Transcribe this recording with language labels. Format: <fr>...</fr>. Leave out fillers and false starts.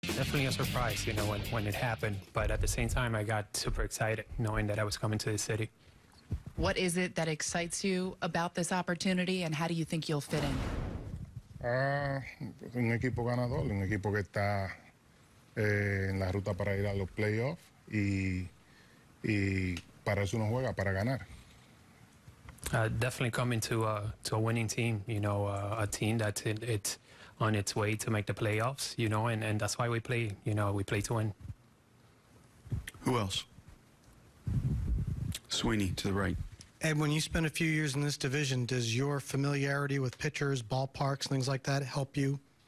<en>definitely a surprise, you know, when it happened. But at the same time, I got super excited knowing that I was coming to the city. What is it that excites you about this opportunity, and how do you think you'll fit in?</en> <es>Un equipo ganador, un equipo que está en la ruta para ir a los playoffs y para eso uno juega, para ganar.</es> <en>Definitely coming to a winning team, you know, a team that's it's on its way to make the playoffs, you know, and that's why we play, you know, we play to win. Who else? Sweeney to the right. Ed, when you spend a few years in this division, does your familiarity with pitchers, ballparks, things like that help you?</en>